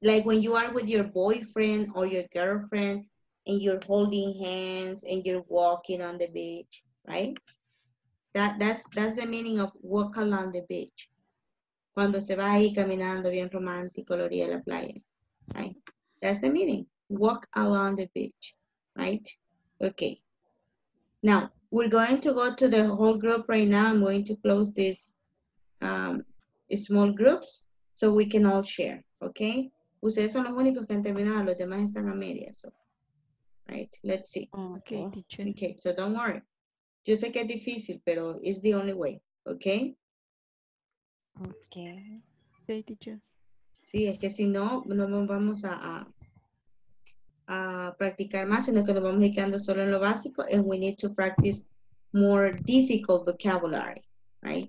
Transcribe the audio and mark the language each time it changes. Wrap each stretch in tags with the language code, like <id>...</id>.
<en>Like when you are with your boyfriend or your girlfriend and you're holding hands and you're walking on the beach, right? That's the meaning of walk along the beach.</en> <es>Cuando se va ahí caminando bien romántico, la orilla de la playa, right?</es> <en>That's the meaning. Walk along the beach, right? Okay. Now, we're going to go to the whole group right now. I'm going to close this small groups so we can all share, okay?</en> <es>Ustedes son los únicos que han terminado, los demás están a media, so.</es> <en>Right, let's see. Okay, teacher. Okay, so don't worry.</en> <es>Yo sé que es difícil, pero</es> <en>it's the only way, okay? Okay. Okay, teacher.</en> <es>Sí, es que si no, no vamos a practicar más, sino que nos vamos dedicando solo en lo básico,</es> <en>and we need to practice more difficult vocabulary, right?</en>